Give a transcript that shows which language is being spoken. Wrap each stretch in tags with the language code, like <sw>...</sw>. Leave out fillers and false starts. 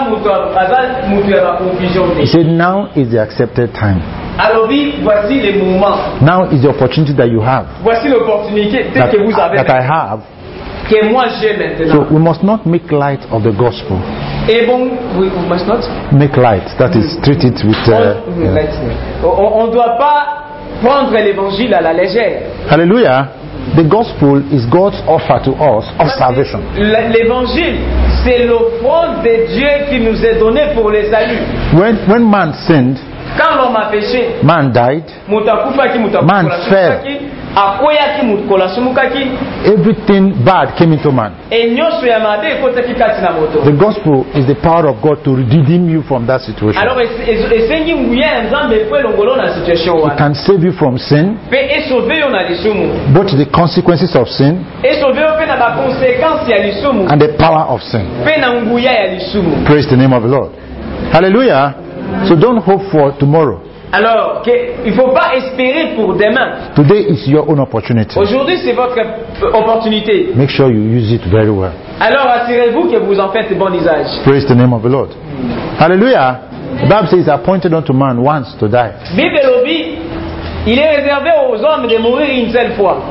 <en>He said, now is the accepted time. Now is the opportunity that you have.</en> <fr>Voici l'opportunité que vous avez.</fr> <en>That I have.</en> <fr>Que moi j'ai maintenant.</fr> <en>So we must not make light of the gospel.</en> <fr>Et bon,</fr> <en>we must not make light. That is treat it with.</en> <fr>On ne doit pas prendre l'évangile à la légère.</fr> <en>Hallelujah. The gospel is God's offer to us of salvation.</en> <fr>L'évangile, c'est l'offrande de Dieu qui nous est donnée pour le salut.</fr> <en>When man sinned.</en> <fr>Quand l'homme a péché,</fr> <en>man died. Man fell. Everything bad came into man. The gospel is the power of God to redeem you from that situation. It can save you from sin, both the consequences of sin and the power of sin. Praise the name of the Lord. Hallelujah. So don't hope for tomorrow.</en> <fr>Alors, il ne faut pas espérer pour demain.</fr> <en>Today is your own opportunity.</en> <fr>Aujourd'hui, c'est votre opportunité.</fr> <en>Make sure you use it very well.</en> <fr>Alors, assurez-vous que vous en faites bon usage.</fr> <en>Praise the name of the Lord. Hallelujah. The Bible says, appointed unto man once to die.</en> <fr>Bible dit, il est réservé aux hommes de mourir une seule fois.</fr>